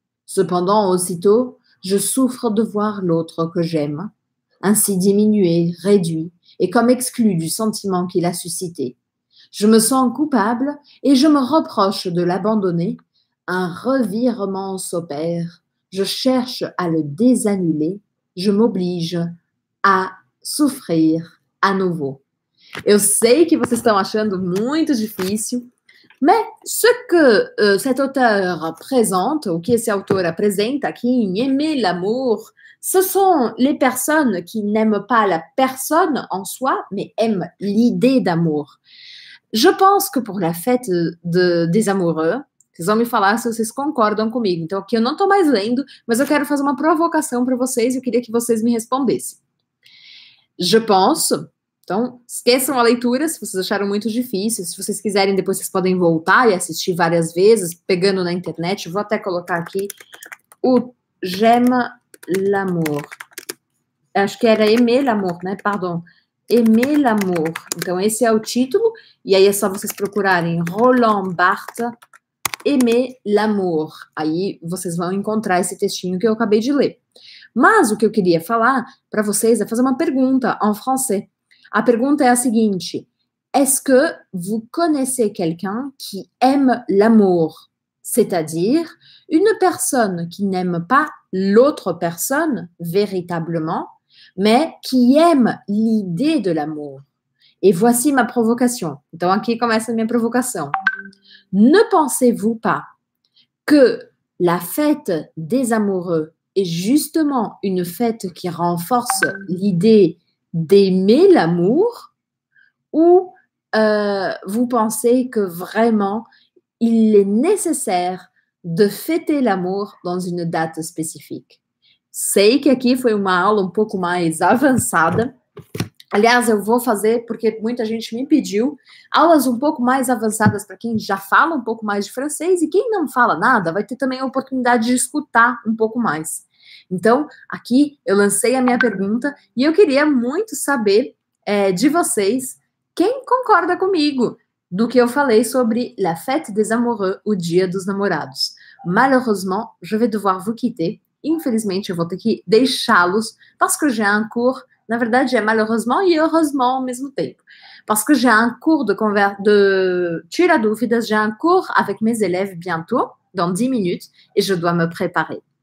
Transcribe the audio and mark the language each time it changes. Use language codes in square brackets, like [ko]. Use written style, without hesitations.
[fr] Cependant, aussitôt, je souffre de voir l'autre que j'aime, ainsi diminué, réduit et comme exclu du sentiment qu'il a suscité. Je me sens coupable et je me reproche de l'abandonner. Un revirement s'opère. Je cherche à le désannuler. Je m'oblige à souffrir à nouveau. [pt] Eu sei que vocês estão achando muito difícil, mas [fr] ce que cet auteur [pt] apresenta, o que esse autor apresenta aqui em [fr] Aimer l'amour, ce sont les personnes qui n'aiment pas la personne en soi, mais aiment l'idée d'amour. Je pense que pour la fête des amoureux, [pt] vocês vão me falar se vocês concordam comigo. Então, aqui eu não estou mais lendo, mas eu quero fazer uma provocação para vocês e eu queria que vocês me respondessem. [fr] Je pense, [pt] então, esqueçam a leitura se vocês acharam muito difícil. Se vocês quiserem, depois vocês podem voltar e assistir várias vezes, pegando na internet. Vou até colocar aqui o J'aime l'amour. Acho que era Aimer l'amour, né? Pardon. Aimer l'amour. Então, esse é o título. E aí é só vocês procurarem Roland Barthes. Aimer l'amour. Aí vocês vão encontrar esse textinho que eu acabei de ler. Mas o que eu queria falar para vocês é fazer uma pergunta [fr] en français. [pt] A pergunta é a seguinte: [fr] est-ce que vous connaissez quelqu'un qui aime l'amour? C'est-à-dire, une personne qui n'aime pas l'autre personne véritablement, mais qui aime l'idée de l'amour. Et voici ma provocation. [pt] Então aqui começa a minha provocação. [fr] Ne pensez-vous pas que la fête des amoureux est justement une fête qui renforce l'idée d'aimer l'amour, ou vous pensez que vraiment il est nécessaire de fêter l'amour dans une date spécifique? [pt] Sei que aqui foi uma aula um pouco mais avançada. Aliás, eu vou fazer, porque muita gente me pediu, aulas um pouco mais avançadas para quem já fala um pouco mais de francês, e quem não fala nada vai ter também a oportunidade de escutar um pouco mais. Então, aqui eu lancei a minha pergunta e eu queria muito saber de vocês quem concorda comigo do que eu falei sobre La Fête des Amoureux, o Dia dos Namorados. [fr] Malheureusement, je vais devoir vous quitter. [pt] Infelizmente, eu vou ter que deixá-los, [fr] parce que j'ai un cours. [pt] Na verdade, é malheureusement e heureusement ao mesmo tempo. [fr] Parce que j'ai un cours de tira dúvidas, j'ai un cours avec mes élèves bientôt, dans 10 minutes, et je dois me préparer.